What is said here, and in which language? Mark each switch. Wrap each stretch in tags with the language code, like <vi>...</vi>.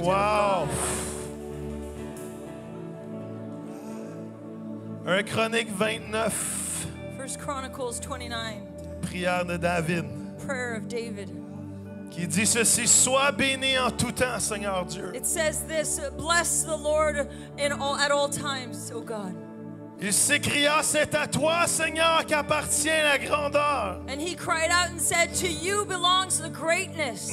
<en>wow. of God.</en> <fr>Wow. 1 Chronique 29.</fr> <en>1 Chronicles 29.</en> <fr>Prière de David.</fr> <en>Prayer of David.</en> <fr>Qui dit ceci, sois béni en tout temps, Seigneur Dieu.</fr> <en>It says this, bless the Lord in all, at all times, O God.</en> <fr>Il s'écria, c'est à toi, Seigneur, qu'appartient la grandeur.</fr> <en>And he cried out and said, to you belongs the greatness.</en>